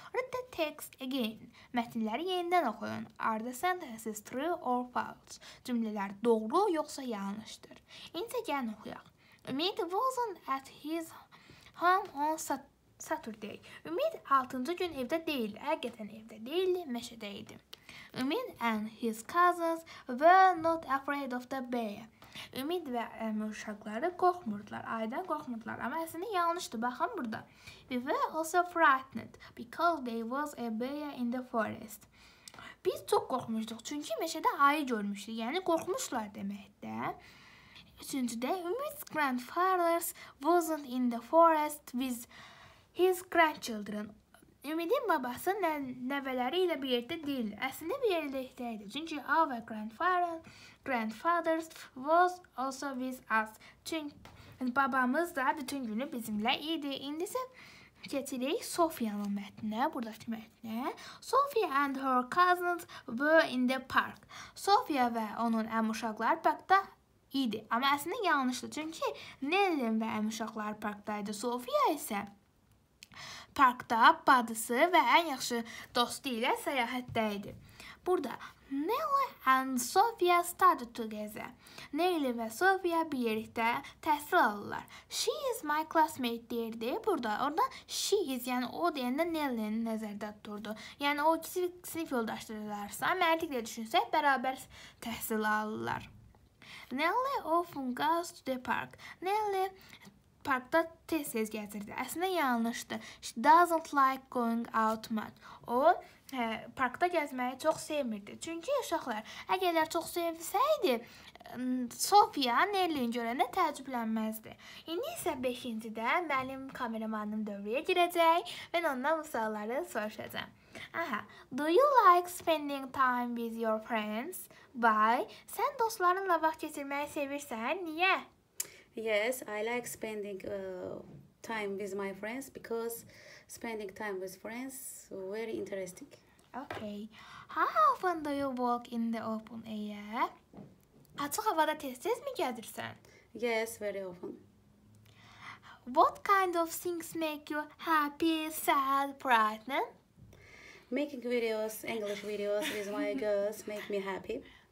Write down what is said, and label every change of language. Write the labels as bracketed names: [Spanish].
[English] Read the text again. [Azerbaijani] Mətnləri yenidən oxuyun. [English] Are the sentences true or false? [Azerbaijani] Cümlələr doğru yoxsa yanlışdır. İnsə, gəlin oxuyaq. [English] Ümit wasn't at his home on Saturday. [Azerbaijani] Ümit 6-cı gün evdə deyil. Həqiqətən evdə deyildi, meşədə idi. [English] Ümit and his cousins were not afraid of the bear. [Azerbaijani] Ümit və əmi uşaqları qorxmurdular. Aydan qorxmurdular. Amma əslində yanlışdır. Baxın burada. [English] We were also frightened because there was a bear in the forest. [Azerbaijani] Biz çox qorxmuşduq. Çünki meşədə ayı görmüşdük. Yəni qorxmuşlar deməkdir. Üçüncüdə [English] Ümit's grandfather wasn't in the forest with his grandchildren. [Azerbaijani] Ümidin babası nəvələri ilə bir yerdə deyil. Əslində bir yerdə idi. Çünki [English] our grandfathers was also with us. [Azerbaijani] Çünki babamız da bütün günü bizimlə idi. İndi isə keçirik Sofiyanın mətninə, burdakı mətninə. [English] Sofia and her cousins were in the park. [Azerbaijani] Sofia və onun əm uşaqları parkda idi. Amma əslində yanlışdır. Çünki Nellin və əm uşaqları parkdaydı. Sofia isə parkda badısı və ən yaxşı dostu ilə səyahətdə idi. [English] Burada Nelly and Sofia started together. [Azerbaijani] Nelly və Sofia bir yerdə təhsil alırlar. [English] She is my classmate [Azerbaijani] deyirdi. Burada orada [English] she is, [Azerbaijani] yəni o deyəndə Nelly'nin nəzərdə durdu. Yəni o ikisi sinif yoldaşlarsa, məntiqlə düşünsək, bərabər təhsil alırlar. [English] Nelly often goes to the park. [Azerbaijani] Nelly parkda tez-tez gəzirdi. Əslində yanlışdır. [English] She doesn't like going out much. [Azerbaijani] O, parkda gəzməyi çox sevmirdi. Çünki uşaqlar, əgərlər çox sevsəydi, Sofia Nelly'ni görəndə təəccüblənməzdi. İndi isə 5-cidə mənim kameramanım dövrəyə girəcək. Mən ondan sualları soruşacağım. [English] Aha, do you like spending time with your friends? Why? [Azerbaijani] Sən dostlarınla vaxt keçirməyi sevirsən, niyə? [English] Yes, I like spending time with my friends because spending time with friends is very interesting. Okay. How often do you walk in the open air? [Azerbaijani] Açıq havada tez-tez mi gəzirsən? [English] Yes, very often. What kind of things make you happy, sad, frightened? Making videos, English videos with my girls make me happy.